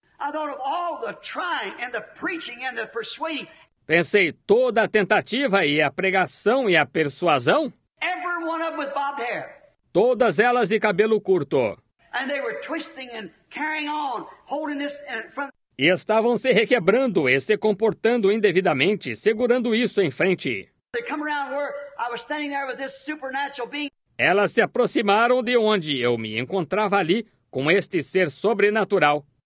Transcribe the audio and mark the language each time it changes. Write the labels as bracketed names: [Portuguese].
[English] I thought of all the trying and the preaching and the persuading. [Portuguese] Pensei toda a tentativa e a pregação e a persuasão. [English] Every one of them with bob hair. [Portuguese] Todas elas de cabelo curto. [English] And they were twisting and carrying on, holding this in front. [Portuguese] E estavam se requebrando e se comportando indevidamente, segurando isso em frente. [English] They come around where I was standing there with this supernatural being. [Portuguese] Elas se aproximaram de onde eu me encontrava ali com este ser sobrenatural.